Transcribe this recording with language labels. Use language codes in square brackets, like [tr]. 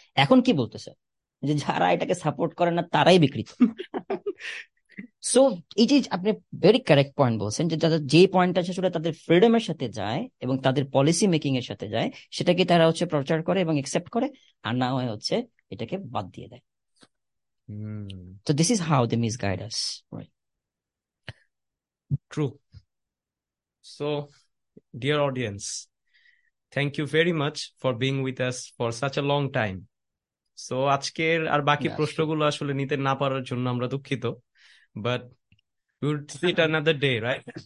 [bn] এখন কি বলতেছে যে যারা এটাকে সাপোর্ট করে না তারাই বিকৃত। [en] so it is, [bn] আপনি ভেরি কারেক্ট পয়েন্ট বলছেন যে তাদের যে পয়েন্টটা আছে সেটা তাদের ফ্রিডমের সাথে যায় এবং তাদের পলিসি মেকিং এর সাথে যায়, সেটাকে তারা হচ্ছে প্রচার করে এবং অ্যাকসেপ্ট করে, আর না হয় হচ্ছে এটাকে বাদ দিয়ে দেয়। [en] So this is how they misguide us, right? True. So, dear audience, thank you very much for being with us for such a long time. [bn] So, আজকের আর বাকি প্রশ্নগুলো আসলে নিতে না পারার জন্য আমরা দুঃখিত, [en] but we'll see it another day, right?